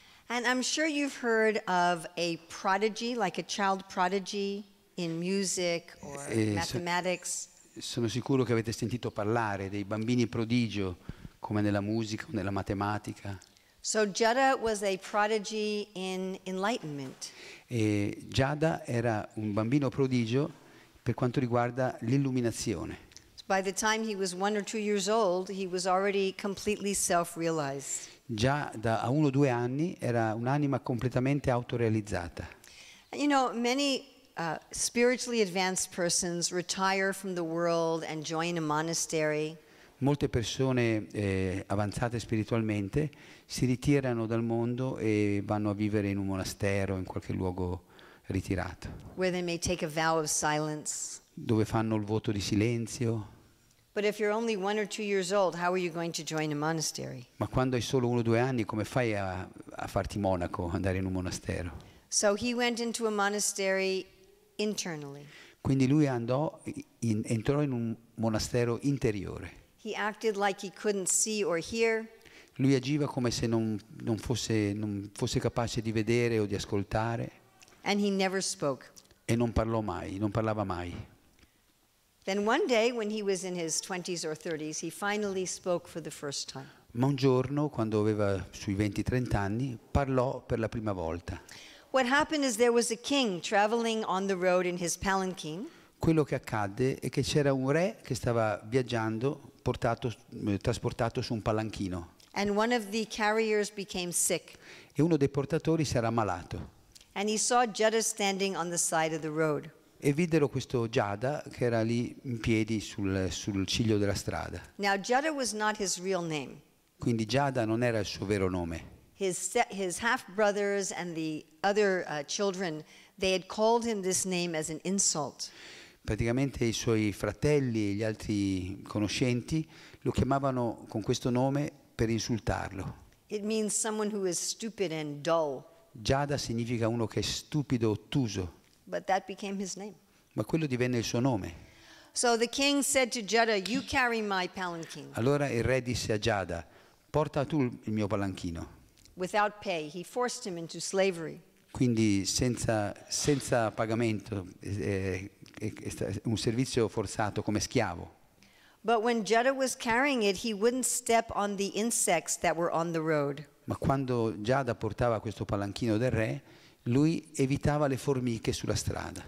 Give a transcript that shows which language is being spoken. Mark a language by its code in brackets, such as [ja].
[en] And I'm sure you've heard of a prodigy, like a child prodigy in music or mathematics. [it] Sono sicuro che avete sentito parlare dei bambini prodigio, come nella musica o nella matematica. [en] So Jada was a prodigy in enlightenment. [it] E Jada era un bambino prodigio per quanto riguarda l'illuminazione. [en] By the time he was 1 or 2 years old, he was already completely self-realized. [it] Già da 1 o 2 anni era un'anima completamente autorealizzata. [en] You know, many spiritually advanced persons retire from the world and join a monastery. [it] Molte persone avanzate spiritualmente si ritirano dal mondo e vanno a vivere in un monastero, in qualche luogo ritirato. [en] Where they may take a vow of silence. [it] Dove fanno il voto di silenzio. [en] But if you're only 1 or 2 years old, how are you going to join a monastery? [it] Ma quando hai solo 1 o 2 anni, come fai a farti monaco, andare in un monastero? [en] So he went into a monastery internally. [it] Quindi lui entrò in un monastero interiore. [en] He acted like he couldn't see or hear. [it] Lui agiva come se non fosse capace di vedere o di ascoltare. [en] And he never spoke. [it] E non parlava mai. [en] Then one day when he was in his 20s or 30s, he finally spoke for the first time. [it] Ma un giorno, quando aveva sui 20-30 anni, parlò per la prima volta. [en] What happened is there was a king traveling on the road in his palanquin. [it] Quello che accadde è che c'era un re che stava viaggiando trasportato su un palanchino. [en] And one of the carriers became sick. [it] E uno dei portatori si era ammalato. [en] And he saw Jada standing on the side of the road. [it] E videro questo Jada che era lì in piedi sul ciglio della strada. [en] Now Jada was not his real name. [it] Quindi Jada non era il suo vero nome. [en] His half brothers and the other children, they had called him this name as an insult. [it] Praticamente i suoi fratelli e gli altri conoscenti lo chiamavano con questo nome per insultarlo. [en] It means someone who is stupid and dull. [it] Jada significa uno che è stupido, ottuso. [en] But that became his name. [it] Ma quello divenne il suo nome. [en] So the king said to Jada, "You carry my palanquin." [it] Allora il re disse a Jada, "Porta tu il mio palanchino." [en] Without pay, he forced him into slavery. [it] Quindi senza pagamento, un servizio forzato come schiavo. [en] But when Jada was carrying it, he wouldn't step on the insects that were on the road. [it] Ma quando Jada portava questo palanchino del re, lui evitava le formiche sulla strada.